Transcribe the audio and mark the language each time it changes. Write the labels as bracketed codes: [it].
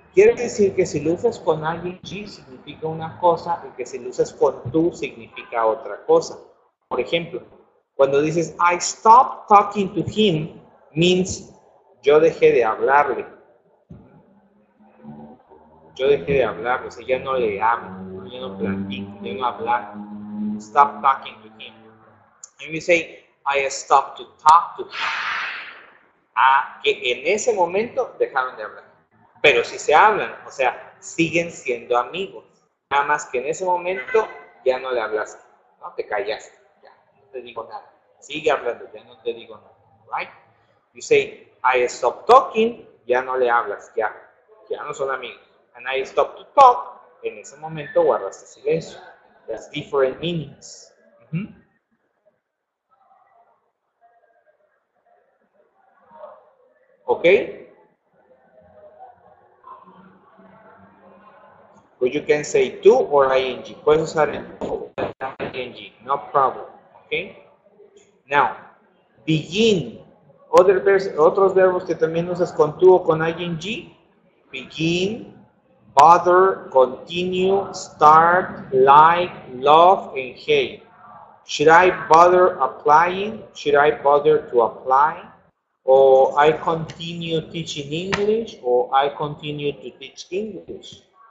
[es] Quiere decir que si lo usas con ing significa una cosa y que si lo usas con tú significa otra cosa. Por ejemplo, cuando dices [en] I stopped talking to him means [es] yo dejé de hablarle. Yo dejé de hablarle, o sea, ya no le hablo, ya no platico, ya no hablar. [en] Stop talking to him. And you say I stopped to talk to him. [es] Ah, que en ese momento dejaron de hablar. Pero si se hablan, o sea, siguen siendo amigos. Nada más que en ese momento ya no le hablaste, ¿no? Te callaste, ya, no te digo nada. Sigue hablando, ya no te digo nada, right? [en] You say, I stop talking, [es] ya no le hablas, ya, ya no son amigos. [en] And I stop to talk, [es] en ese momento guardaste silencio. [en] That's different meanings. Mm-hmm. ¿Ok? But you can say to or ing. [es] Puedes usar ing. [en] No problem. Okay? Now, begin. Other verbs, [es] otros verbos que también usas con to o con ing. [en] Begin, bother, continue, start, like, love, and hate. Should I bother applying? Should I bother to apply? Or I continue teaching English? Or I continue to teach English?